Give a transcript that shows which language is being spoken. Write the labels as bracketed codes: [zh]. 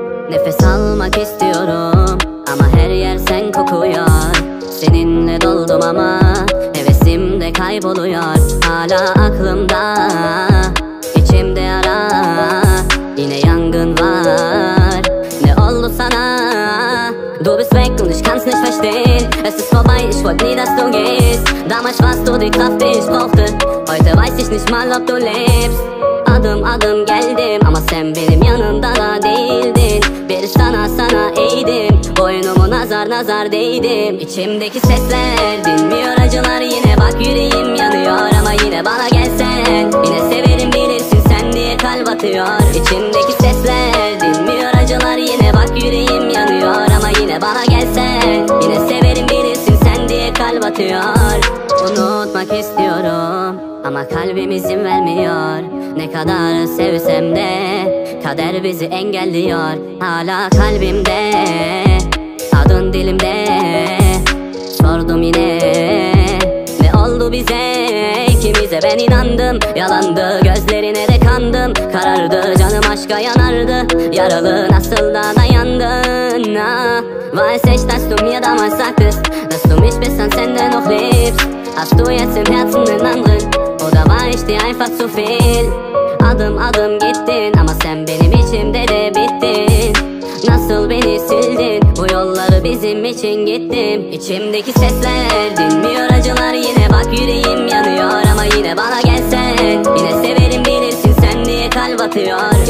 [tr] Nefes almak istiyorum ama her yer sen kokuyor. Seninle doldum ama hevesim de kayboluyor. Hala aklımda, içimde yara, yine yangın var. Ne oldu sana? [de] Du bist weg und ich kann's nicht verstehen. Es ist vorbei, ich wollte nie, dass du gehst. Damals warst du die Kraft, die ich brauchte. Heute weiß ich nicht mal, ob du lebst. [tr] Adım adım geldim ama sen benim yanımda da değildin. Bir sana sana eğdim, boynumu nazar nazar değdim. İçimdeki sesler dinmiyor, acılar yine. Bak yüreğim yanıyor ama yine bana gelsen, yine severim bilirsin sen diye kalp atıyor. İçimdeki sesler dinmiyor, acılar yine. Bak yüreğim yanıyor ama yine bana gelsen, yine severim bilirsin sen diye kalp atıyor. Unutmak istiyorum ama kalbim izin vermiyor. Ne kadar sevsem de kader bizi engelliyor. Hala kalbimde, adın dilimde. Sordum yine, ne oldu bize, ikimize? Ben inandım, yalandı, gözlerine de kandım. Karardı, canım aşka yanardı. Yaralı, nasıl da dayandın? [de] Was echt, dass du mir damals sagtest, dass du mich bis ans Ende noch liebst. Hast du jetzt im Herzen einen anderen? Oder war ich dir einfach zu viel? [tr] Adım adım gittin ama sen benim içimde de bittin. Nasıl beni sildin? Bu yolları bizim için gittim. İçimdeki sesler dinmiyor, acılar yine. Bak yüreğim yanıyor ama yine bana gelsen, yine severim bilirsin sen diye kalp atıyor.